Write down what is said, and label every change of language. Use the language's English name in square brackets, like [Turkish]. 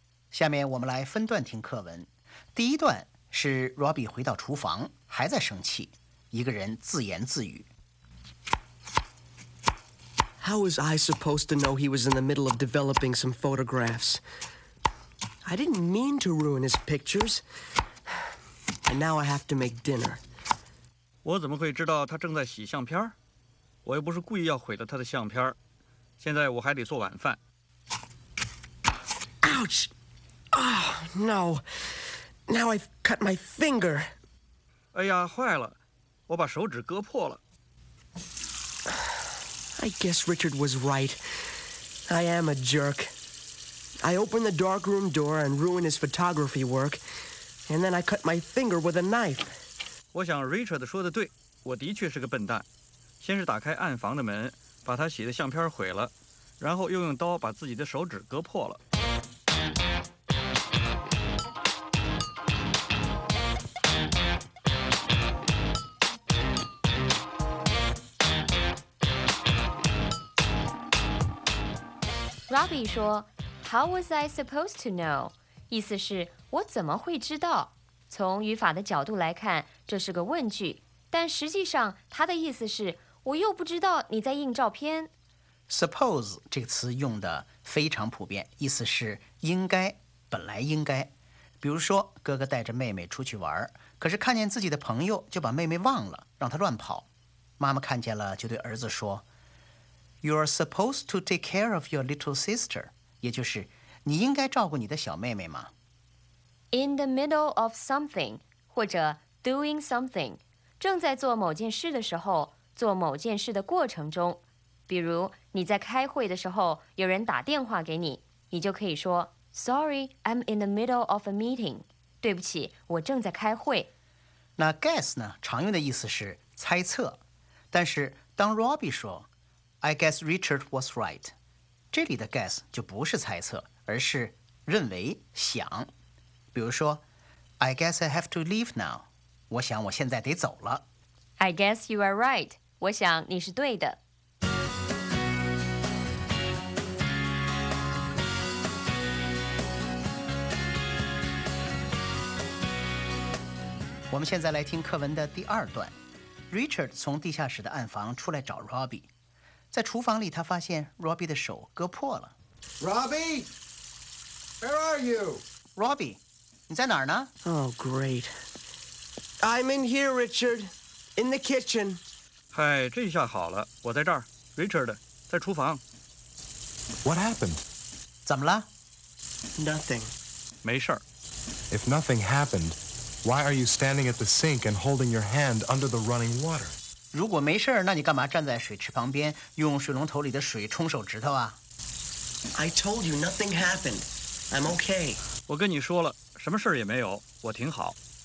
[Chinese] 下面我们来分段听课文。第一段是 Robbie 回到厨房还在生气，一个人自言自语。 [English] How was I supposed to know he was in the middle of developing some photographs? I didn't mean to ruin his pictures. And now I have to make dinner. [Chinese] 我怎么会知道他正在洗相片？我又不是故意要毁了他的相片。现在我还得做晚饭。 [English] Ouch! Oh, no. Now I've cut my finger. [Chinese] 哎呀，坏了，我把手指割破了。 [English] I guess Richard was right. I am a jerk. I opened the darkroom door and ruined his photography work, and then I cut my finger with a knife. [Chinese] 我想 Richard 说的对，我的确是个笨蛋。先是打开暗房的门，把他洗的相片毁了，然后又用刀把自己的手指割破了。 [English] Robbie 说 How was I supposed to know? [Chinese] 意思是我怎么会知道从语法的角度来看这是个问句但实际上他的意思是我又不知道你在印照片 Suppose 这个词用的非常普遍意思是应该本来应该比如说哥哥带着妹妹出去玩可是看见自己的朋友就把妹妹忘了让她乱跑妈妈看见了就对儿子说 [English] You are supposed to take care of your little sister. [Chinese] 也就是你应该照顾你的小妹妹吗 [English] In the middle of something, [Chinese] 或者 [English] doing something, [Chinese] 正在做某件事的时候做某件事的过程中比如你在开会的时候有人打电话给你你就可以说 [English] Sorry, I'm in the middle of a meeting. [Chinese] 对不起我正在开会。那 guess 呢常用的意思是猜测。但是当 [English] Robbie 说I guess Richard was right. [Chinese] 这里的 guess 就不是猜测，而是认为、想。比如说 [English] ，I guess I have to leave now. [Chinese] 我想我现在得走了。 [English] I guess you are right. [Chinese] 我想你是对的。我们现在来听课文的第二段。Richard 从地下室的暗房出来找 Robbie。在厨房里他发现 Robbie 的手割破了 [English] Robbie Where are you [Chinese] Robbie 你在哪儿呢 [English] Oh great I'm in here Richard In the kitchen [Chinese] 嗨这下好了我在这儿 Richard 在厨房 [English] What happened [Chinese] 怎么了 [English] Nothing [Chinese] 没事 [English] If nothing happened Why are you standing at the sink And holding your hand under the running water [Chinese] 如果没事儿，那你干嘛站在水池旁边，用水龙头里的水冲手指头啊 [English] ？I told you nothing happened. I'm okay. [Chinese] 我跟你说了，什么事儿也没有，我挺好。